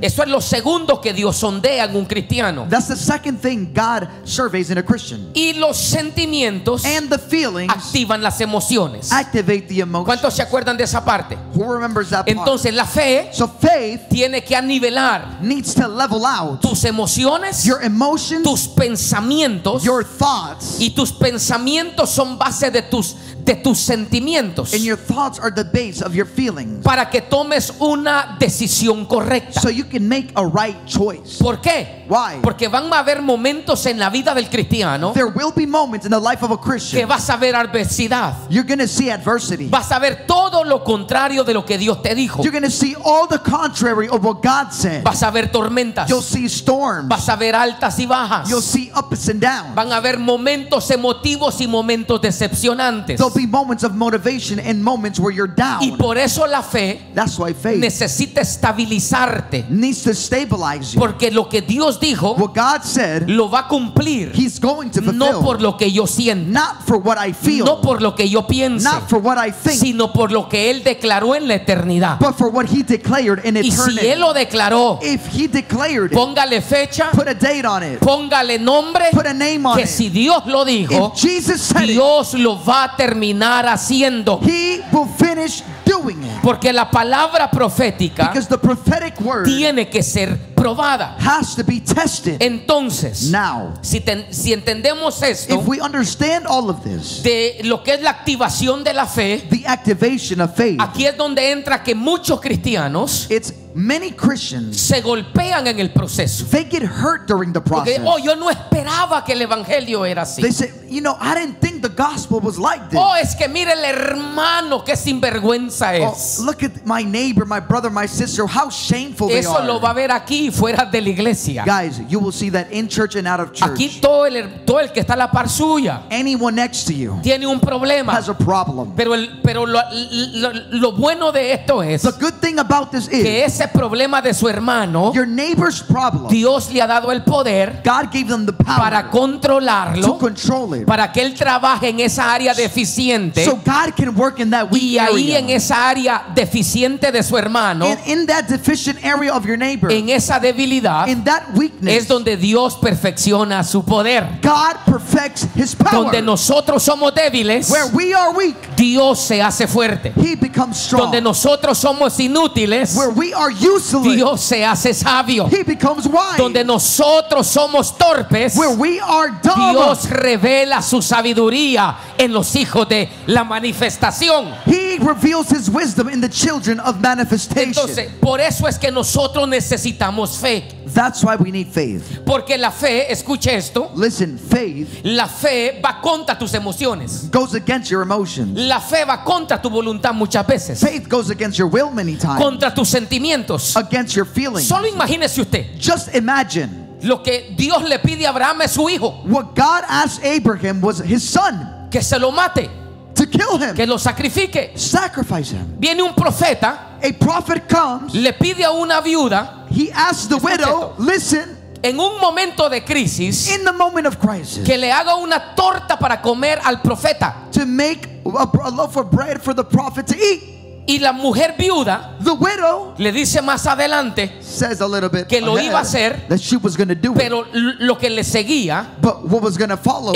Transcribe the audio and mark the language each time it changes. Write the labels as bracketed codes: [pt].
[es] Eso es lo segundo que Dios sondea en un cristiano. [en] That's the second thing God surveys in a Christian. [es] Y los sentimientos [en] and the feelings [es] activan las emociones. [en] Activate the emotions. [es] ¿Cuántos se acuerdan de esa parte? [en] Who remembers that part? [es] Entonces la fe, [en] so faith, [es] tiene que anivelar, [en] needs to level out [es] tus emociones, [en] your emotions, [es] tus pensamientos, [en] your thoughts, [es] y tus pensamientos son base de tus sentimientos, [en] and your thoughts are the base of your feelings, [es] para que tomes una decisión correcta, [en] so you can make a right choice. [es] ¿Por qué? [en] Why? [es] Porque van a haber momentos en la vida del cristiano, [en] there will be moments in the life of a Christian, [es] que vas a ver adversidad, [en] you're going to see adversity, [es] vas a ver todo lo contrario de lo que Dios te dijo, [en] you're going to see all the contrary of what God said, [es] vas a ver tormentas, [en] you'll see storms, [es] vas a ver altas y bajas, [en] you'll see ups and downs, [es] van a haber momentos emotivos y momentos decepcionantes. [en] There'll be moments of motivation and moments where you're down. [es] Y por eso la fe, [en] that's why faith, [es] necesita estabilizarte, [en] needs to stabilize you. [es] Porque lo que Dios dijo, [en] what God said, [es] lo va a cumplir. [en] He's going to fulfill. [es] No por lo que yo siento, [en] not for what I feel. [es] No por lo que yo piense, [en] not for what I think. [es] Sino por lo que él declaró en la eternidad, [en] but for what he declared in eternity. [es] Y si él lo declaró, [en] if he declared it, [es] póngale fecha, [en] put a date on it, [es] póngale nombre, [en] put a name on [es] que [en] it. [es] Si Dios lo dijo, [en] if Jesus said [es] Dios [en] it, [es] lo va a terminar haciendo. [en] He will finish doing it. [es] Porque la palabra profética, [en] because the prophetic word, [es] tiene que ser probada, [en] has to be tested. [es] Entonces, [en] now, [es] si entendemos esto, [en] if we understand all of this, [es] de lo que es la activación de la fe, [en] the activation of faith, [es] aquí es donde entra que muchos cristianos, [en] it's many Christians, [es] se golpean en el proceso. [en] They get hurt during the process. [es] Porque, oh, yo no esperaba que el evangelio era así. [en] They say, you know, I didn't think the gospel was like this. [es] Oh, es que mire el hermano que sinvergüenza es. [en] Oh, look at my neighbor, my brother, my sister, how shameful [es] eso [en] they are. [es] Eso lo va a ver aquí fuera de la iglesia. [en] Guys, you will see that in church and out of church. [es] Aquí todo el que está a la par suya, [en] anyone next to you, [es] tiene un problema, [en] has a problem. [es] Pero lo bueno de esto es, [en] the good thing about this is, [es] que ese problema de su hermano, [en] your neighbor's problem, [es] Dios le ha dado el poder, [en] God gave them the power, [es] para controlarlo, [en] to control it, [es] para que él trabaje en esa área deficiente, [en] so God can work in that weak [es] y ahí [en] area, [es] en esa área deficiente de su hermano, [en] in that deficient area of your neighbor, [es] en esa debilidad, [en] in that weakness, [es] es donde Dios perfecciona su poder. [en] God perfects his power. [es] Donde nosotros somos débiles, [en] where we are weak, [es] Dios se hace fuerte. [en] He becomes strong. [es] Donde nosotros somos inútiles, [en] where we are useless, [es] Dios se hace sabio. [en] He becomes wise. [es] Donde nosotros somos torpes, [en] where we are dumb, [es] Dios revela su sabiduría en los hijos de la manifestación. [en] He reveals his wisdom in the children of manifestation. [es] Entonces, por eso es que nosotros necesitamos fe. [en] That's why we need faith. [es] Porque la fe, escuche esto, [en] listen, faith, [es] la fe va contra tus emociones, [en] goes against your emotions. [es] La fe va contra tu voluntad muchas veces, [en] faith goes against your will many times. [es] Contra tus sentimientos, [en] against your feelings. [es] Solo imagínese usted, [en] just imagine, [es] lo que Dios le pide a Abraham es su hijo. [en] What God asked Abraham was his son. [es] Que se lo mate, [en] to kill him, [es] que lo sacrifique, [en] sacrifice him. [es] Viene un profeta, [en] a prophet comes, [es] le pide a una viuda, [en] he asks the widow, listen, [es] en un momento de crisis, [en] in the moment of crisis, [es] que le haga una torta para comer al profeta, [en] to make a loaf of bread for the prophet to eat. [es] Y la mujer viuda, [en] the widow, [es] le dice más adelante, [en] says a little bit [es] que lo [en] ahead, [es] iba a hacer, [en] that she was going to do, [es] pero [en] it, [es] lo que le seguía, [en] but what was going to follow,